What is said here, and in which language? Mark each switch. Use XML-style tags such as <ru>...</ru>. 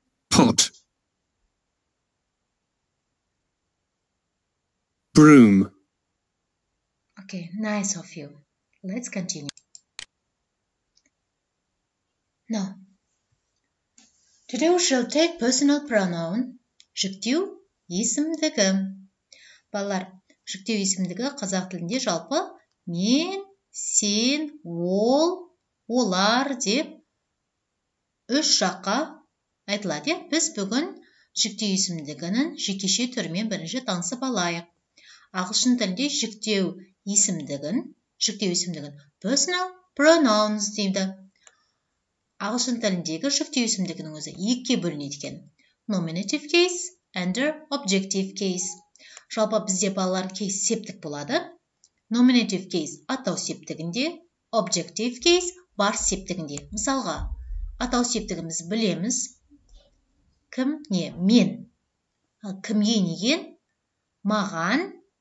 <en>Pot. Broom. Okay, nice of you. Let's continue. Now, today we shall take personal pronoun.</en> <kk>Жүктеу есімдігі. Балалар, жүктеу есімдігі қазақ тілінде жалпы мен, сен, ол, олар деп үш жаққа айтылады. Біз бүгін жүктеу есімдігінің жекеше түрімен бірінші танысып алайық. Ағылшын тілінде жүктеу есімдігін personal pronouns дейді. Ағылшын тіліндегі жүктеу есімдігінің өзі екіге бөлінеді екен.</kk> <en>Nominative case and objective case.</en> <kk>Жалпы бізде балалар кейс септік болады.</kk> <en>Nominative case</en> <kk>атау септігінде,</kk> <en>objective case</en> <kk>бар септігінде. Мысалға, атау септігіміз білеміз. Кім не? Мен. Кімге неген? Маған.</kk>